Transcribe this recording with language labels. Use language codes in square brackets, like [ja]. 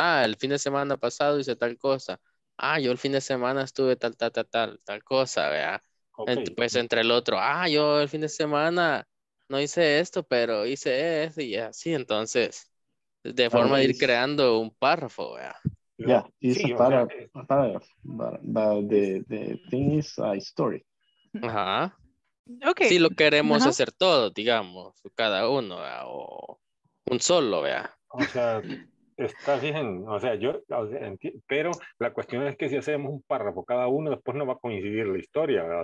[es] Ah, el fin de semana pasado hice tal cosa. Ah, yo el fin de semana estuve tal cosa, vea. Okay. Pues entre el otro, ah, yo el fin de semana no hice esto, pero hice eso y así. Entonces, de forma de ir creando un párrafo, vea. [en] Yeah, it's [es] sí, [en] a paragraph, but the thing is a story. Ajá. Uh-huh. Okay. [es] Si lo queremos uh-huh. hacer todo, digamos, cada uno, ¿verdad? O un solo, ¿verdad? O sea, Está bien, o sea, yo, pero la cuestión es que si hacemos un párrafo cada uno, después no va a coincidir la historia, ¿verdad?